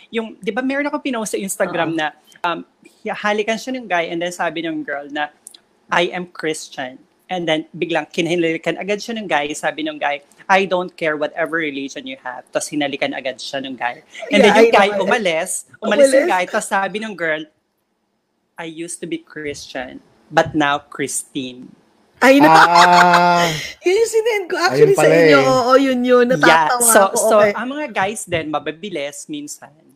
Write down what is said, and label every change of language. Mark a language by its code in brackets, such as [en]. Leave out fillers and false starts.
[tl] Yung, di ba, meron ako pinost sa Instagram na halikan siya ng guy and then sabi ng girl na, [en] I am Christian. [tl] And then, biglang kinahilikan agad siya ng guy. Sabi ng guy, [en] I don't care whatever religion you have. [tl] Tapos hinalikan agad siya ng guy. And then yung guy umalis yung guy. Tapos sabi ng girl, [en] I used to be Christian, but now Christine. [tl] Ay, no. Yun yung sinend ko actually sa inyo. Oo, yun. Natatawa So, ang mga guys din, mababilis minsan.